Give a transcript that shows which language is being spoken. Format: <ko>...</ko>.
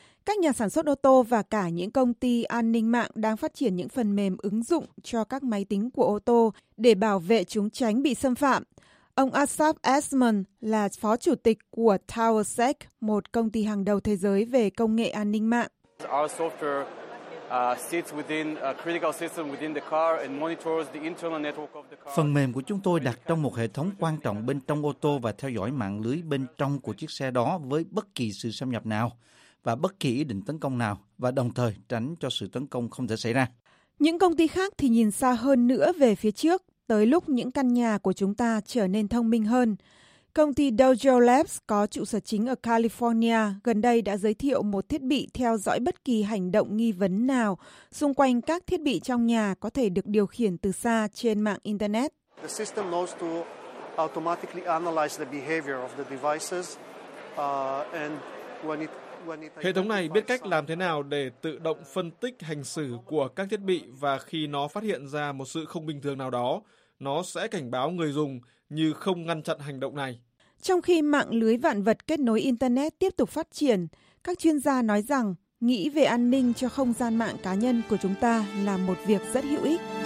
<vi>Các nhà sản xuất ô tô và cả những công ty an ninh mạng đang phát triển những phần mềm ứng dụng cho các máy tính của ô tô để bảo vệ chúng tránh bị xâm phạm. Ông Asaf Esman là phó chủ tịch của TowerSec, một công ty hàng đầu thế giới về công nghệ an ninh mạng.</vi> <en>Our software sits within a critical system within the car and monitors the internal network of the car.</en> <vi>Phần mềm của chúng tôi đặt trong một hệ thống quan trọng bên trong ô tô và theo dõi mạng lưới bên trong của chiếc xe đó với bất kỳ sự xâm nhập nào và bất kỳ ý định tấn công nào, và đồng thời tránh cho sự tấn công không thể xảy ra. Những công ty khác thì nhìn xa hơn nữa về phía trước, tới lúc những căn nhà của chúng ta trở nên thông minh hơn. Công ty Dojo Labs có trụ sở chính ở California gần đây đã giới thiệu một thiết bị theo dõi bất kỳ hành động nghi vấn nào xung quanh các thiết bị trong nhà có thể được điều khiển từ xa trên mạng Internet.</vi> <en>The system knows to automatically analyze the behavior of the devices and when it</en> <vi>Hệ thống này biết cách làm thế nào để tự động phân tích hành xử của các thiết bị, và khi nó phát hiện ra một sự không bình thường nào đó, nó sẽ cảnh báo người dùng như không ngăn chặn hành động này. Trong khi mạng lưới vạn vật kết nối Internet tiếp tục phát triển, các chuyên gia nói rằng nghĩ về an ninh cho không gian mạng cá nhân của chúng ta là một việc rất hữu ích.</vi>